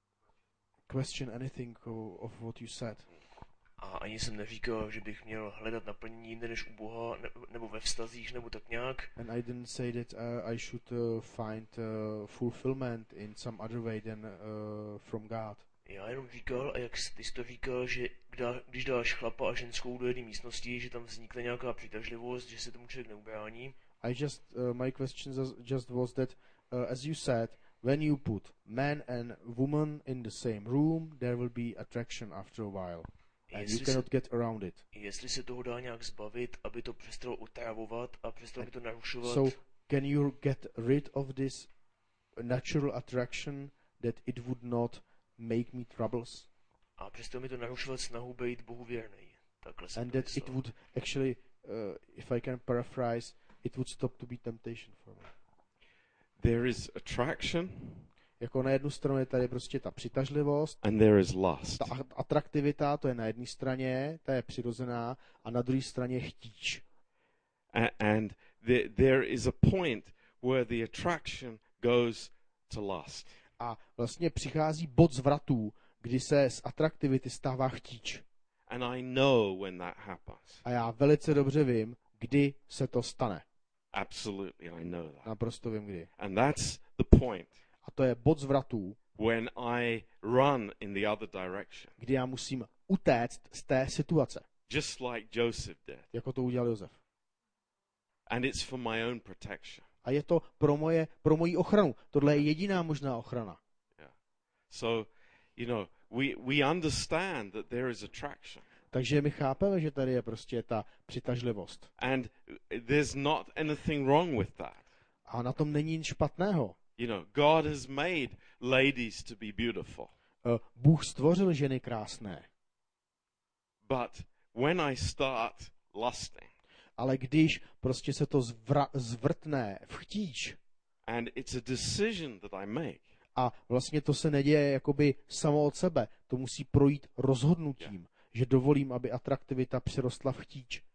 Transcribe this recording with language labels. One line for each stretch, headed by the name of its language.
English: I didn't question anything of what you said.
Czech: A ani jsem neříkal, že bych měl hledat naplnění jinde než u Boha, nebo ve vztazích, nebo tak nějak.
English: And I didn't say that I should find fulfillment in some other way than from God.
Czech: Já jenom říkal, a jak ty jsi to říkal, že když dáš chlapa a ženskou do jedné místnosti, že tam vznikne nějaká přitažlivost, že se tomu člověk neubrání.
English: I just, my question just was that, as you said, when you put man and woman in the same room, there will be attraction after a while. And you cannot get around it.
Czech: Jestli se toho dá nějak zbavit, aby to přestalo utravovat a přestalo by to narušovat.
English: So can you get rid of this natural attraction that it would not make me troubles?
Czech: A přestalo by to narušovat snahu být Bohu věrný. Takhle
English: and that it would actually, if I can paraphrase, it would stop to be temptation for me. There is attraction.
Czech: Jako na jednu stranu je tady prostě ta přitažlivost.
English: And there is lust.
Czech: Ta atraktivita, to je na jedné straně, ta je přirozená, a na druhé straně chtíč.
English: And there is a point where the attraction goes to lust.
Czech: A vlastně přichází bod zvratu, kdy se z atraktivity stává chtíč.
English: And I know when that happens.
Czech: A já velice dobře vím, kdy se to stane.
English: Absolutely, I know that.
Czech: Naprosto vím, kdy.
English: And that's the point.
Czech: A to je bod zvratu,
English: when I run in the other direction.
Czech: Kdy já musím utéct z té situace.
English: Just like Joseph did.
Czech: Jako to udělal Josef.
English: And it's for my own protection.
Czech: A je to pro moji ochranu. Tohle je jediná možná ochrana.
English: Yeah. So, you know, we understand that there is attraction.
Czech: Takže my chápeme, že tady je prostě ta přitažlivost.
English: And there's not anything wrong with that.
Czech: A na tom není nic špatného.
English: You know, God has made ladies to be beautiful.
Czech: Bůh stvořil ženy krásné.
English: But when I start lusting,
Czech: ale když prostě se to zvrtne v chtíč,
English: and it's a decision that I make.
Czech: A vlastně to se neděje jakoby samo od sebe. To musí projít rozhodnutím, že dovolím, aby atraktivita přirostla v chtíč.